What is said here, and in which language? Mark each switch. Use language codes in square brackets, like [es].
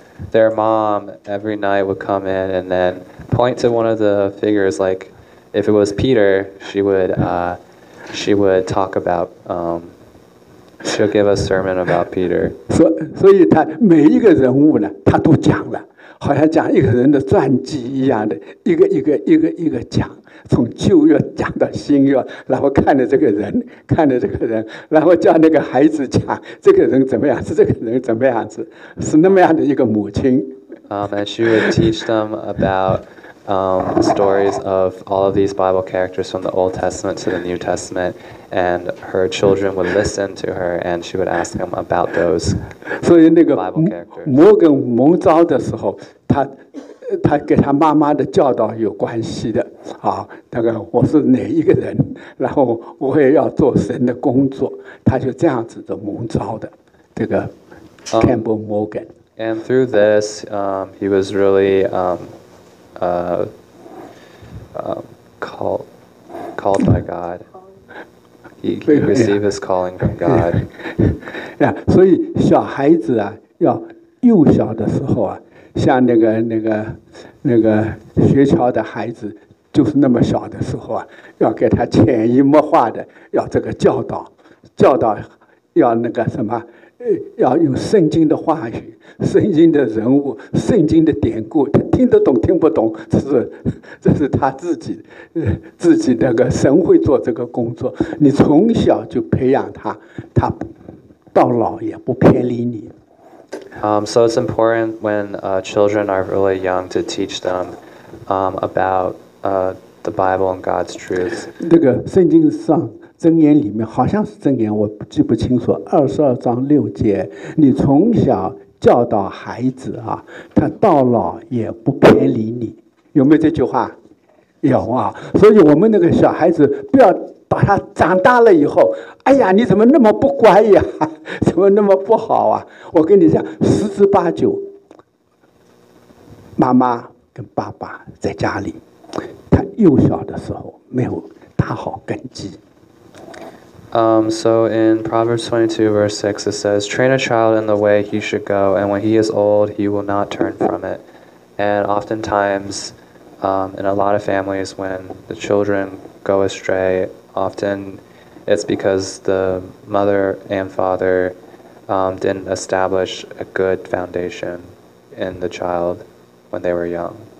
[en] Their mom every night would come in and then point to one of the figures. Like if it was Peter, she would talk about. She'll give a sermon about Peter. [zh] 所以他每一个人物呢，他都讲了。好像讲一个人的传记一样的，一个一个一个一个讲，从旧约讲到新约，然后看着这个人，看着这个人，然后叫那个孩子讲这个人怎么样，是这个人怎么样子，是那么样的一个母亲。 [en] And she would teach them about stories of all of these Bible characters from the Old Testament to the New Testament, and her children would listen to her, and she would ask them about those Bible characters. [zh] 所以那个摩根蒙召的时候，他跟他妈妈的教导有关系的啊。那个我是哪一个人，然后我也要做神的工作，他就这样子的蒙召的。这个 Campbell Morgan. [en] And through this, he was really called by God. He received his calling from God. [zh] Yeah, 所以小孩子啊，要幼小的时候啊，像那个学校的孩子，就是那么小的时候啊，要给他潜移默化的要这个教导，要那个什么。要用圣经的话语，圣经的人物，圣经的典故，他听得懂听不懂，这是他自己那个神会做这个工作。你从小就培养他，他到老也不偏离你。 [en] So it's important when children are really young to teach them about the Bible and God's truths. [zh] 那个圣经上。箴言里面好像是箴言，我记不清楚。22:6，你从小教导孩子啊，他到老也不偏离你，有没有这句话？有啊。所以我们那个小孩子，不要把他长大了以后，哎呀，你怎么那么不乖呀？怎么那么不好啊？我跟你讲，十之八九，妈妈跟爸爸在家里，他幼小的时候没有打好根基。 [en] So in Proverbs 22:6, it says, train a child in the way he should go, and when he is old, he will not turn from it. And oftentimes, in a lot of families, when the children go astray, often it's because the mother and father didn't establish a good foundation in the child when they were young.